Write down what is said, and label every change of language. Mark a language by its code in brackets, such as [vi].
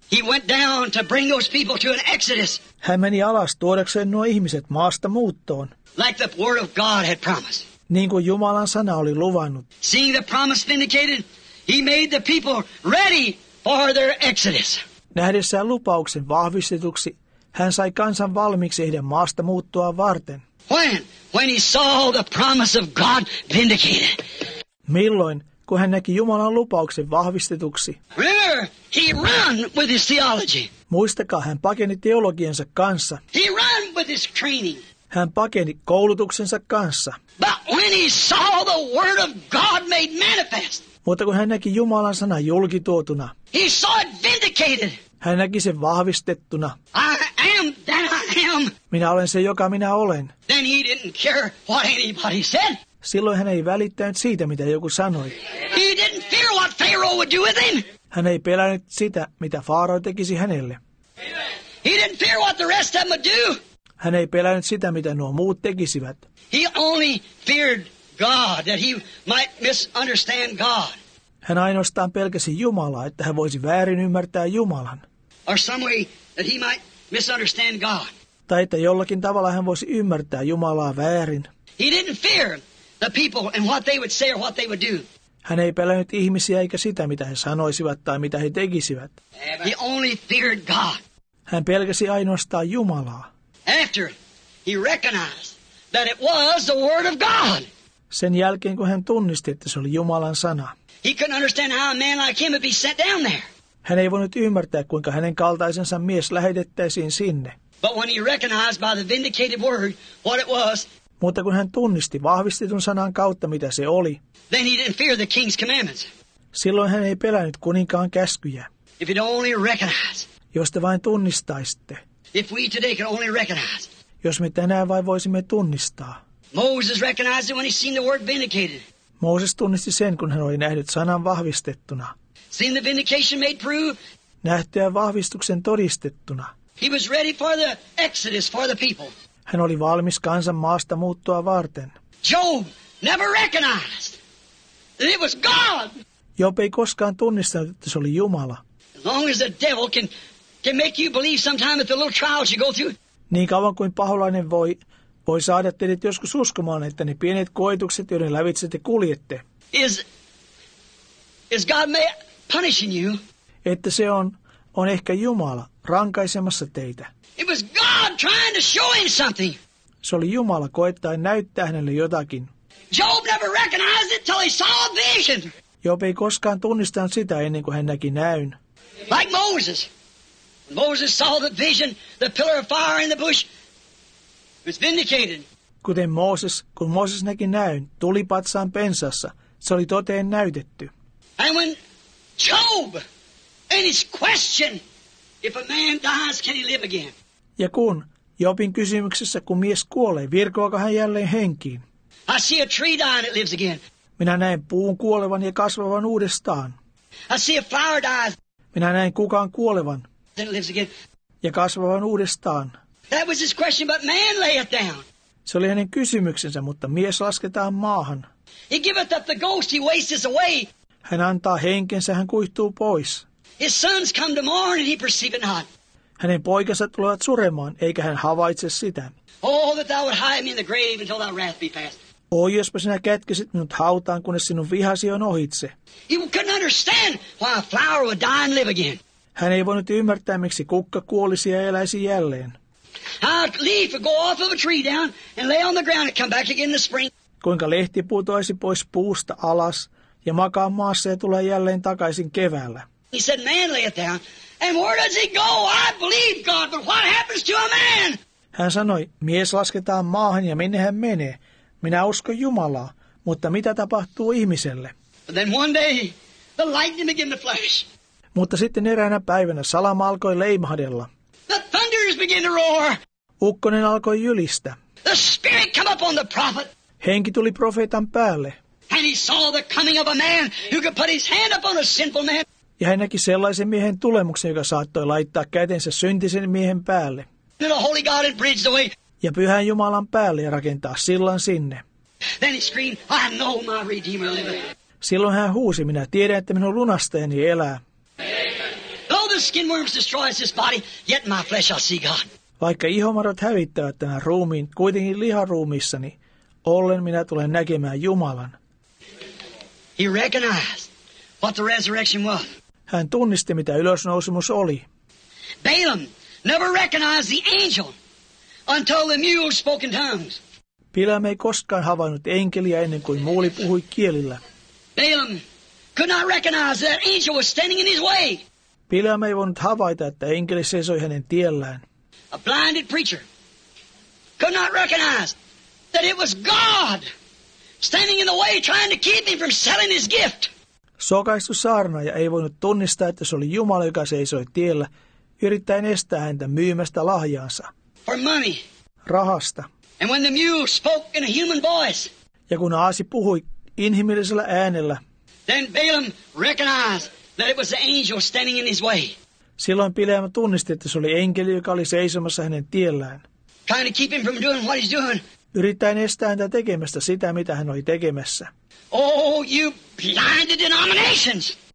[en] He went down to bring those people to an exodus. [fi] Hän meni alas tuodakseen nuo ihmiset maasta muuttoon. [en] Like the word of God had promised. [fi] Niin kuin Jumalan sana oli luvannut. [en] Seeing the promise vindicated, he made the people ready for their exodus. [fi] Nähdessään lupauksen vahvistetuksi, hän sai kansan valmiiksi heidän maasta muuttua varten. [en] When he saw the promise of God vindicated. [fi] Milloin, kun hän näki Jumalan lupauksen vahvistetuksi? [en] Remember, he ran with his theology. [fi] Muistakaa, hän pakeni teologiansa kanssa. [en] He ran with his training. [fi] Hän pakeni koulutuksensa kanssa. [en] But when he saw the word of God made manifest. [fi] Mutta kun hän näki Jumalan sana julkituotuna. [en] He saw it vindicated. [fi] Hän näki sen vahvistettuna. [en] I am that I am. [fi] Minä olen se, joka minä olen. [en] Then he didn't care what anybody said. [fi] Silloin hän ei välittänyt siitä, mitä joku sanoi. [en] He didn't fear what Pharaoh would do with him. [fi] Hän ei pelännyt sitä, mitä farao tekisi hänelle. [en] He didn't fear what the rest of them would do. [fi] Hän ei pelännyt sitä, mitä nuo muut tekisivät. [en] He only feared God, that he might misunderstand God. [fi] Hän ainoastaan pelkäsi Jumalaa, että hän voisi väärin ymmärtää Jumalan. [en] Or some way that he might misunderstand God. [fi] Tai että jollakin tavalla hän voisi ymmärtää Jumalaa väärin. [en] He didn't fear the people and what they would say or what they would do. [fi] Hän ei pelännyt ihmisiä eikä sitä, mitä he sanoisivat tai mitä he tekisivät. [en] He only feared God. [fi] Hän pelkäsi ainoastaan Jumalaa. [en] After he recognized that it was the word of God. [fi] Sen jälkeen kun hän tunnisti, että se oli Jumalan sana. [en] He couldn't understand how a man like him would be sent down there. [fi] Hän ei voinut ymmärtää, kuinka hänen kaltaisensa mies lähetettäisiin sinne. [en] But when he recognized by the vindicated word what it was, [fi] mutta kun hän tunnisti vahvistetun sanan kautta, mitä se oli, [en] then he didn't fear the king's commandments. [fi] Silloin hän ei pelännyt kuninkaan käskyjä. [en] If you'd only recognize, [fi] jos te vain tunnistaisitte. [en] If we today could only recognize, [fi] jos me tänään vain voisimme tunnistaa. [en] Moses recognized it when he seen the word vindicated. [fi] Mooses tunnisti sen, kun hän oli nähnyt sanan vahvistettuna. [en] Seen the vindication made proof. [fi] Nähtyä vahvistuksen todistettuna. [en] He was ready for the exodus for the people. [fi] Hän oli valmis kansan maasta muuttoa varten. [en] Job never recognized that it was God. [fi] Job ei koskaan tunnistanut, että se oli Jumala. [en] As long as the devil can make you believe sometime that the little trials you go through. [fi] Niin kauan kuin paholainen voi saada teidät joskus uskomaan, että ne pienet koetukset, joiden lävitse te kuljette. [en] Is God punishing you? [fi] Että se on ehkä Jumala rankaisemassa teitä. [en] It was God trying to show him something. [fi] Se oli Jumala koettaen näyttää hänelle jotakin. [en] Job never recognized it till he saw a vision. [fi] Job ei koskaan tunnistanut sitä ennen kuin hän näki näyn. [en] Like Moses. Moses saw the vision, the pillar of fire in the bush. It was vindicated. [fi] Kuten Moses, kun Moses näki näyn tulipatsaan pensassa, se oli toteen näytetty. [en] And when Job and his question, if a man dies, can he live again? [fi] Ja kun Jobin kysymyksessä, kun mies kuolee, virkoako hän jälleen henkiin? [en] I see a tree dying, it lives again. [fi] Minä näen puun kuolevan ja kasvavan uudestaan. [en] I see a flower dies. [fi] Minä näen kukaan kuolevan. [en] Then it lives again. [fi] Ja kasvavan uudestaan. [en] That was his question, but man lay it down. [fi] Se oli hänen kysymyksensä, mutta mies lasketaan maahan. [en] He giveth up the ghost, he wastes away. [fi] Hän antaa henkensä, hän kuihtuu pois. [en] His sons come to mourn and he perceiveth not. [fi] Hänen poikansa tulevat suremaan, eikä hän havaitse sitä. [en] Oh, that thou would hide me in the grave until thy wrath be past. [fi] Oi, jospa sinä kätkisit minut hautaan, kunnes sinun vihasi on ohitse. [en] He couldn't understand why a flower would die and live again. [fi] Hän ei voinut ymmärtää, miksi kukka kuolisi ja eläisi jälleen. [en] How a leaf would go off of a tree down and lay on the ground and come back again in the spring. [fi] Kuinka lehti putoisi pois puusta alas ja makaa maassa ja tulee jälleen takaisin keväällä. [en] He said, man lay it down. And where does he go? I believe God, but what happens to a man? [fi] Hän sanoi, mies lasketaan maahan ja minne hän menee. Minä uskon Jumalaa, mutta mitä tapahtuu ihmiselle? [en] But then one day, the lightning began to flash. [fi] Mutta sitten eräänä päivänä salama alkoi leimahdella. [en] The thunders began to roar. [fi] Ukkonen alkoi jylistä. [en] The spirit came upon the prophet. [fi] Henki tuli profeetan päälle. [en] And he saw the coming of a man who could put his hand upon a sinful man. [fi] Ja hän näki sellaisen miehen tulemuksen, joka saattoi laittaa kätensä syntisen miehen päälle. [en] Then the holy God had bridged the way. [fi] Ja pyhän Jumalan päälle ja rakentaa sillan sinne. [en] Then he screamed, I know my redeemer lives. [fi] Silloin hän huusi, minä tiedän, että minun lunastajani elää. [en] Though the skin worms destroys this body, yet my flesh shall see God. [fi] Vaikka ihomarot hävittävät tämän ruumiin, kuitenkin liharuumissani, ollen minä tulen näkemään Jumalan. [en] He recognized what the resurrection was. [fi] Hän tunnisti, mitä ylösnousemus oli. [en] Balaam never recognized the angel. Until the mule spoke in tongues. [fi] Bilaam ei koskaan havainnut enkeliä ennen kuin muuli puhui kielillä. [en] Balaam could not recognize that angel was standing in his way. [fi] Bilaam ei voinut havaita, että enkeli seisoi hänen tiellään. [en] A blinded preacher could not recognize that it was God standing in the way trying to keep him from selling his gift. [fi] Sokaistu saarnaaja ei voinut tunnistaa, että se oli Jumala, joka seisoi tiellä, yrittäen estää häntä myymästä lahjaansa. [en] For money. [fi] Rahasta. [en] And when the mule spoke in a human voice. [fi] Ja kun aasi puhui inhimillisellä äänellä. [en] Then Balaam recognized that it was the angel standing in his way. [fi] Silloin Bileam tunnisti, että se oli enkeli, joka oli seisomassa hänen tiellään. [en] Trying to keep him from doing what he's doing. [fi] Yrittäen estää häntä tekemästä sitä, mitä hän oli tekemässä. [en] Oh, you blinded denominations.